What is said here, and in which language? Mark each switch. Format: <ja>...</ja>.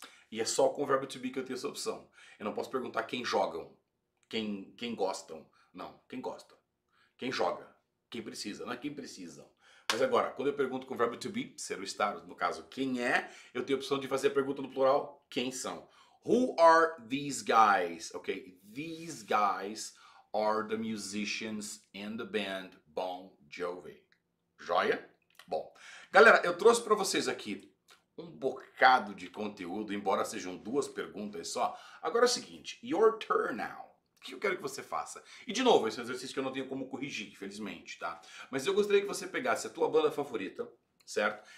<pt>E é só com o verbo to be que eu tenho essa opção. Eu não posso perguntar quem jogam, quem gostam. Não, quem gosta, quem joga, quem precisa, não é quem precisam. Mas agora, quando eu pergunto com o verbo to be, ser ou estar, no caso, quem é, eu tenho a opção de fazer a pergunta no plural, quem são.</pt> <en>Who are these guys? Ok, these guys are the musicians in the band Bon Jovi.</en> <pt>Joia? Bom, galera, eu trouxe para vocês aqui um bocado de conteúdo, embora sejam duas perguntas só. Agora é o seguinte,</pt> <en>your turn now.</en> <pt>O que eu quero que você faça? E de novo, esse é um exercício que eu não tenho como corrigir, infelizmente, tá? Mas eu gostaria que você pegasse a tua banda favorita, certo?</pt>